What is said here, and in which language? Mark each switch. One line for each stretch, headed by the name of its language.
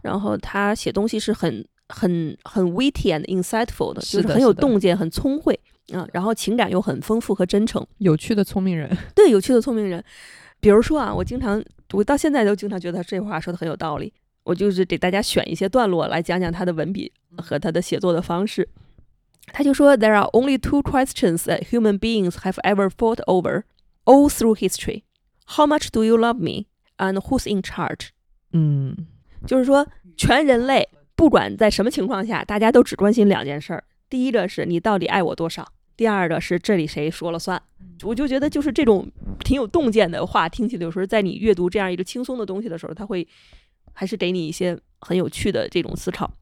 Chinese: 然后他写东西是很
English: witty and insightful
Chinese: 的，就是很有洞见，很聪慧啊，然后情感又很丰富和真诚，有趣的聪明人。对，有趣的聪明人。比如说啊，我到现在都经常觉得这话说的很有道理。我就是给大家选一些段落来讲讲他的文笔和他的写作的方式。他就说
English: There are only two questions that human beings have ever fought over all through history. How much do you love me? And who's in charge?
Chinese: 嗯，就是说全人类不管在什么情况下，大家都只关心两件事。第一个是你到底爱我多少，第二个是这里谁说了算。我就觉得就是这种挺有洞见的话，听起来有时候在你阅读这样一个轻松的东西的时候，他会还是给你一些很有趣的这种思考。